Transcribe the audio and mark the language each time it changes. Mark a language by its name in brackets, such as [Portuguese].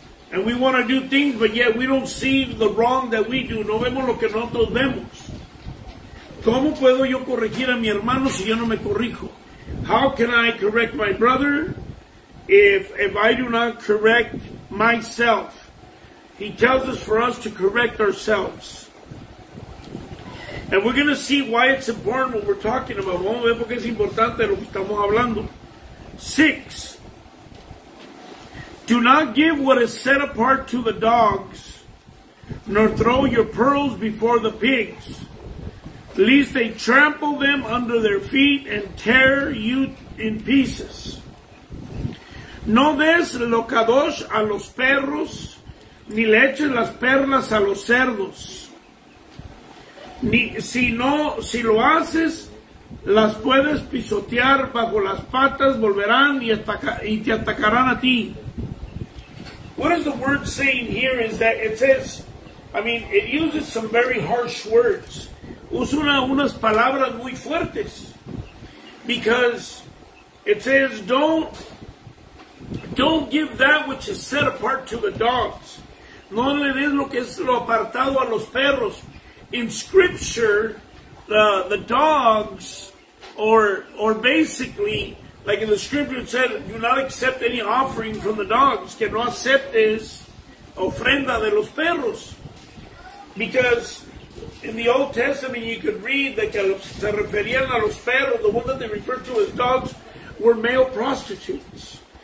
[English] And we want to do things, but yet we don't see the wrong that we do. [Spanish] No vemos lo que nosotros vemos. ¿Cómo puedo yo corregir a mi hermano si yo no me corrijo? [English] How can I correct my brother if I do not correct myself? He tells us for us to correct ourselves. And we're going to see why it's important what we're talking about. [Spanish] Vamos a ver por qué es importante lo que estamos hablando. [English] Six. Do not give what is set apart to the dogs, nor throw your pearls before the pigs, lest they trample them under their feet and tear you in pieces. [Spanish] No des lo kadosh a los perros, ni le eches las perlas a los cerdos. Ni, si no, si lo haces, las puedes pisotear bajo las patas, volverán y te atacarán a ti. [English] What is the word saying here is that it says, I mean, it uses some very harsh words. [Spanish] Usa unas palabras muy fuertes. [English] Because it says, don't give that which is set apart to the dogs. [Spanish] No le des lo que es lo apartado a los perros. [English] In scripture, the dogs, or basically, like in the scripture it said, do not accept any offering from the dogs. [Spanish] Que no aceptes ofrenda de los perros. [English] Because in the Old Testament you could read that [Spanish] se referían a los perros, [English] the one that they referred to as dogs, were male prostitutes.